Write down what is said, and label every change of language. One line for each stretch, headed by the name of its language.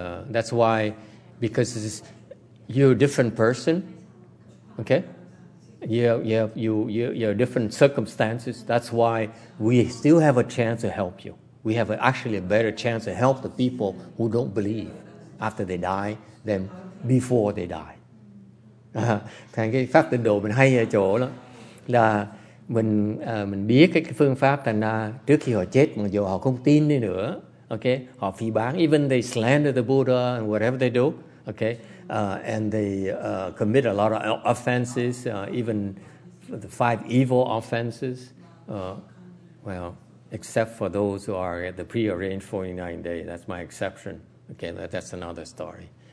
English: That's why, because it's, you're a different person, okay? You're different circumstances. That's why we still have a chance to help you. We have actually a better chance to help the people who don't believe after they die than before they die.
Vietnamese: Thành cái pháp tịnh độ mình hay ở chỗ đó là mình biết cái phương pháp, thành ra trước khi họ chết mà dù họ không tin đi nữa.
English: Okay,
Vietnamese: họ phỉ báng,
English: even they slander the Buddha and whatever they do, okay, and they commit a lot of offenses, even the five evil offenses, well, except for those who are at the prearranged 49 day, that's my exception, okay, that's another story.